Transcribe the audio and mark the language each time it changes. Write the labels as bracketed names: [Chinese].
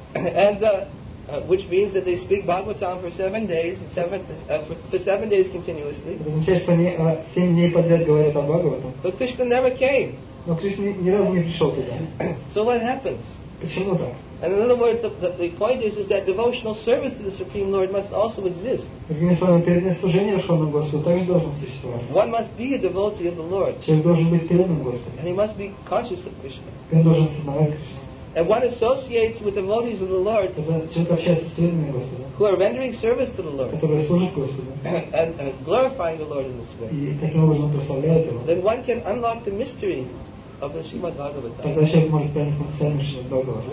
[English] And which means that they speak Bhagavatam for 7 days, for seven days continuously. [Russian] Это означает, что они 7 дней подряд говорят о Бхагаватам. [English] But Krishna never came. [Russian] Но Кришна ни разу не пришел туда. [English] So what happens? [Russian] Почему так? [English] And in other words, the point is that devotional service to the Supreme Lord must also exist. [Russian] Другими словами, преданное служение Верховному Господу также должно существовать. [English] One must be a devotee of the Lord. [Russian] Человек должен быть преданным Господу. [English] And he must be conscious of Krishna. [Russian] И он должен осознавать Кришну. [English] And one associates with devotees of the Lord, who are rendering service to the Lord, and glorifying the Lord in this way, then one can unlock the mystery of the Srimad Bhagavatam.